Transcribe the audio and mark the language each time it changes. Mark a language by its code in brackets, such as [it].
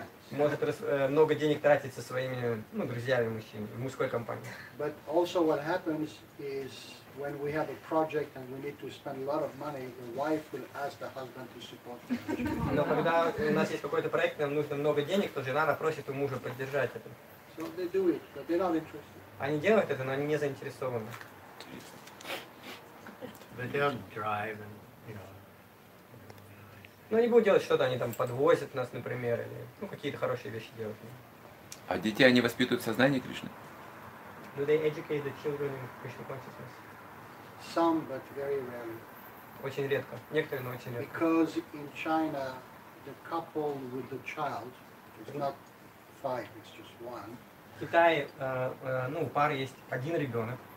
[ru] Может много денег тратить со своими друзьями мужчинами в мужской компании. [en] But also what happens is when we have a project and we need to spend a lot of money, the wife will ask the husband to support. [ru] Но когда у нас есть какой-то проект, нам нужно много денег, то жена просит у мужа поддержать это. [en] So they do it, but they're not interested. [ru] Они делают это, но они не заинтересованы. [en] They don't drive and... [ru] Ну, они будут делать что-то, они там подвозят нас, например, или какие-то хорошие вещи делают. А детей они воспитывают в сознании Кришны? [en] Do they educate the children in Krishna consciousness? Some, but very rarely. [ru] Очень редко. Некоторые, но очень редко. [en] Because in China, the couple with the child is not five, it's just one. [ru] В Китае, у пары есть один ребенок.